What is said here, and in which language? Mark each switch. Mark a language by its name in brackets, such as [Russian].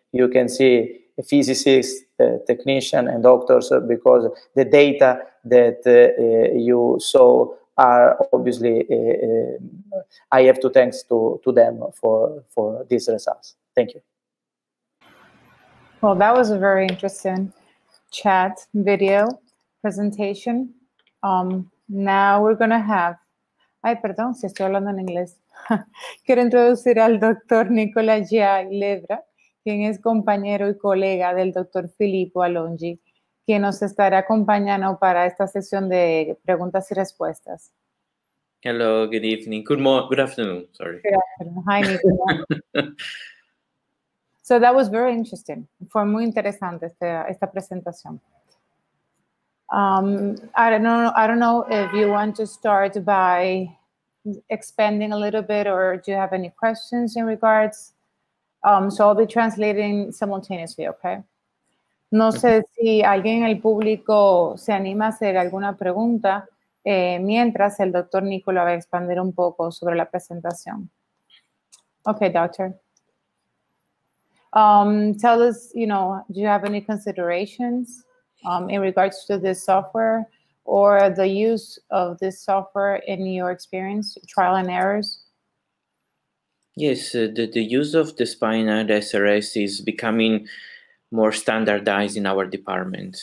[English] You can see the physicists, technicians, and doctors, because the data that you saw are obviously, I have to thanks to them for these results. Thank you. Well, that was a very interesting chat, video, presentation. Now we're going to have, [Spanish] ay, perdón, si estoy hablando en inglés. Quiero introducir al doctor Nicolás Gialebra, quien es compañero y colega del doctor Filippo Alongi, quien nos estará acompañando para esta sesión de preguntas y respuestas. [English] Hello, good evening. Good afternoon. Hi, Nicolás. So that was very interesting. [Spanish] Fue muy interesante esta presentación. [English] I don't know if you want to start by expanding a little bit, or do you have any questions in regards? So I'll be translating simultaneously, okay? [Spanish] No sé si alguien en el público se anima a hacer alguna pregunta mientras el doctor Nicolás va a expandir un poco sobre la presentación. [English] Okay, doctor. Tell us, you know, do you have any considerations in regards to this software or the use of this software in your experience, trial and errors? Yes, the use of the spinal SRS is becoming more standardized in our department.